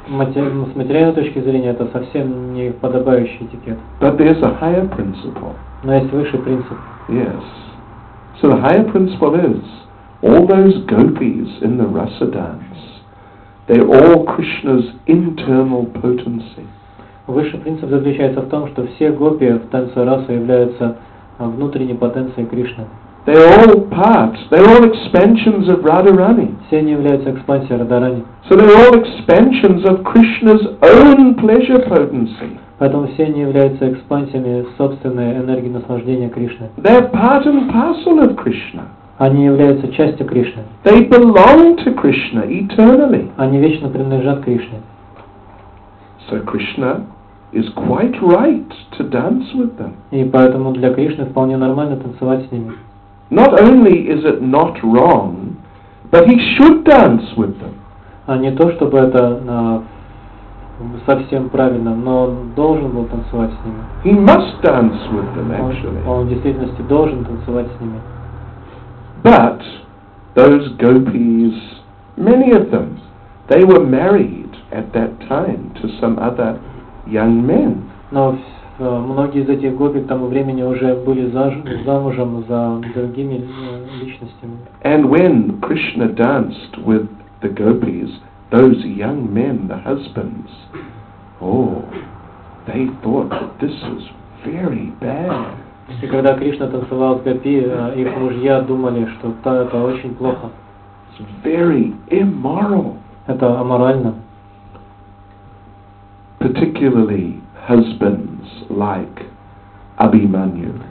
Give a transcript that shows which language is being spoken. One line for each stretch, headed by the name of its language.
Russian: С материальной точки зрения, это совсем не подобающий этикет.
English: But there's a higher principle.
Russian: Но есть высший принцип.
English: Yes. So the higher principle is, all those gopis in the rasa dance, they're all Krishna's internal potency.
Russian: Высший принцип заключается в том, что все гопи в танце раса являются внутренней потенцией Кришны.
English: They're all parts. They're all expansions of Radharani.
Russian: Все они являются экспансией Радхарани.
English: So they're all expansions of Krishna's own pleasure potency.
Russian: Поэтому все они являются экспансиями собственной энергии наслаждения Кришны.
English: They're part and parcel of Krishna.
Russian: Они являются частью Кришны.
English: They belong to Krishna eternally.
Russian: Они вечно принадлежат Кришне.
English: So Krishna is quite right to dance with them.
Russian: И поэтому для Кришны вполне нормально танцевать с ними.
English: Not only is it not wrong, but he should dance with them.
Russian: А не то, чтобы это совсем правильно, но он должен был танцевать с ними.
English: He must dance with them, actually.
Russian: Он в действительности должен танцевать с ними.
English: But those gopis, many of them, they were married at that time to some other young men.
Russian: Но многие из этих гопи к тому времени уже были замужем за другими личностями.
English: And when Krishna danced with the gopis, those young men, the husbands, oh, they thought that this was very bad.
Russian: И когда Кришна танцевал с гопи, их мужья думали, что да, это очень плохо.
English: It's very immoral.
Russian: Это аморально.
English: Particularly husbands like Abhimanyu.